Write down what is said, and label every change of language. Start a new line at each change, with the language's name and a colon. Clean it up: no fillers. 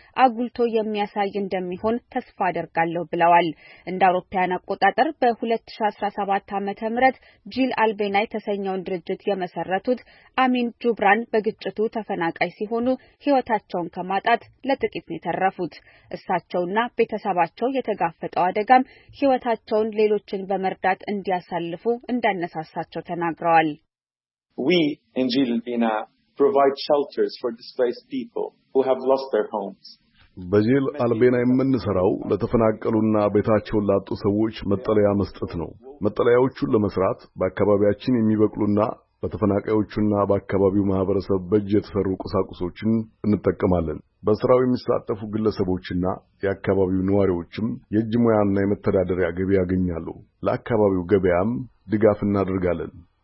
Amharic: አጉልቶ የሚያሳይ እንደሚሆን ተስፋ አደርጋለሁ ብለዋል። እንደ አውሮፓውያን አቆጣጠር በ2017 ዓመተ ምህረት ጂል አልቤና የተሰኘውን ድርጅት የመሰረቱት አሚን ጁብራን በግጭቱ ተፈናቃይ ሲሆኑ ህይወታቸውን ከማጣት ለጥቂት ነው የተረፉት። እሳቸውና ቤተሰባቸው የተጋፈጠው አደጋም ህይወታቸውን ሌሎችን በመርዳት እንዲያሳልፉ እንዳነሳሳቸው ተናግረዋል።
English: We in Jil Albina provide shelters for displaced people who have lost their homes.
Amharic: በጂል አልቤና የምንሰራው ለተፈናቀሉና ቤታቸውን ላጡ ሰዎች መጠለያ መስጠት ነው። መጠለያዎቹን ለመስራት በአካባቢያችን የሚበቅሉና በተፈናቃዮቹና በአካባቢው ማህበረሰብ በእጅ የተሰሩ ቁሳቁሶችን እንጠቀማለን። በስራው የሚሳተፉ ግለሰቦችና የአካባቢው ነዋሪዎችም የእጅ ሙያና የመተዳደሪያ ገቢ ያገኛሉ። ለአካባቢው ገበያም ድጋፍ እናደርጋለን።